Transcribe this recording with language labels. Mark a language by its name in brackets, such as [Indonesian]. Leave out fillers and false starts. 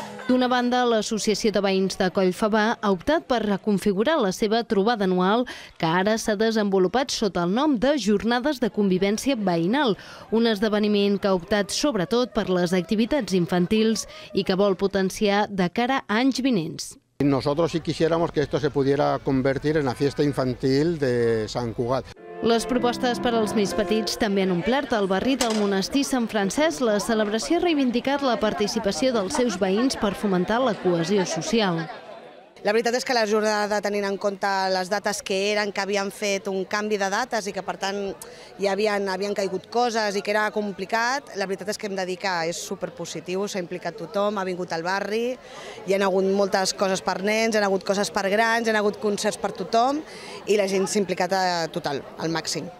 [Catalan] D'una banda, l'Associació de Veïns de Collfabà ha optat per reconfigurar la seva trobada anual, que ara s'ha desenvolupat sota el nom de Jornades de Convivència Veïnal, un esdeveniment que ha optat sobretot per les activitats infantils i que vol potenciar de cara a anys vinents. [Spanish] Nosotros sí quisiéramos que esto se pudiera convertir en la fiesta infantil de Sant Cugat. [Catalan] Les propostes per als més petits també han omplert el barri del monestir Sant Francesc. La celebració ha reivindicat la participació dels seus veïns per fomentar la cohesió social. La veritat és que la jornada, tenint en compte les dates que eren, que havien fet un canvi de dates i que, per tant, hi havien caigut coses i que era complicat, la veritat és que hem de dir que és superpositiu, s'ha implicat tothom, ha vingut al barri, hi ha hagut moltes coses per nens, hi ha hagut coses per grans, hi ha hagut concerts per tothom i la gent s'ha implicat total, al màxim.